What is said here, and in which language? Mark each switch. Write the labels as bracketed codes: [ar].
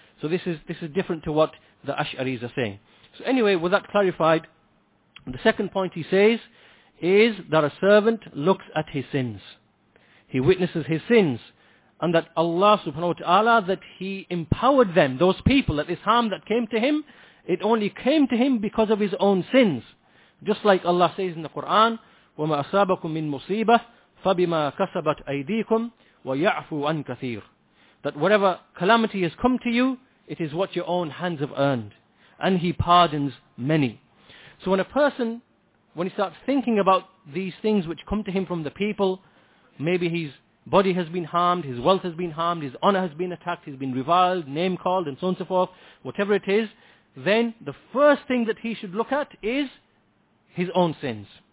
[en] So this is different to what the Ash'aris are saying. So anyway, with that clarified, the second point he says is that a servant looks at his sins. He witnesses his sins. And that Allah subhanahu wa ta'ala, that he empowered them, those people, that this harm that came to him, it only came to him because of his own sins. Just like Allah says in the Quran, [ar] وَمَا أَصَابَكُم مِّن مُصِيبَةٍ فَبِمَا كَسَبَتْ أَيْدِيكُمْ وَيَعْفُوا عَن كَثِيرٍ. [en] That whatever calamity has come to you, it is what your own hands have earned. And he pardons many. So when a person, when he starts thinking about these things which come to him from the people, maybe his body has been harmed, his wealth has been harmed, his honor has been attacked, he's been reviled, name called, and so on and so forth, whatever it is, then the first thing that he should look at is his own sins.